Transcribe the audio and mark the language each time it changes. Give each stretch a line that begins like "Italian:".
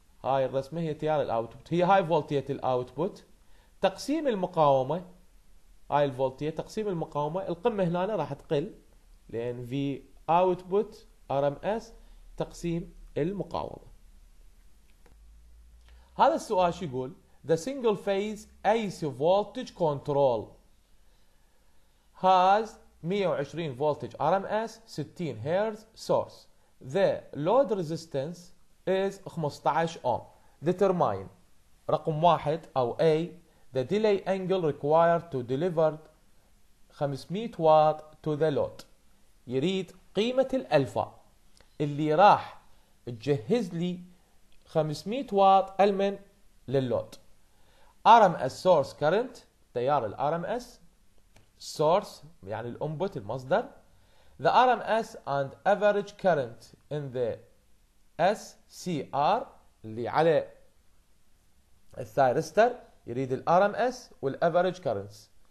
Arabic: هاي الرسمة هي تيار الاوتبوت هي هاي فولتية الاوتبوت تقسيم المقاومة. هاي الفولتية تقسيم المقاومة القمة هنا راح تقل لان في اوتبوت ار ام اس تقسيم المقاومة. هذا السؤال شو يقول؟
English: The single phase AC voltage control has 120 voltage RMS 60 Hz source. The load resistance is 15 ohm. Determine
Arabic: رقم واحد أو
English: A the delay angle required to deliver 500 watt to the load.
Arabic: يريد قيمة الألفا اللي راح تجهز لي 500 واط المن لللود. ار ام اس سورس كرنت تيار الار ام اس سورس يعني الانبوت المصدر.
English: the R M S and average current in the S C R
Arabic: اللي على الثايرستر يريد الار ام اس والافريج كرنتس.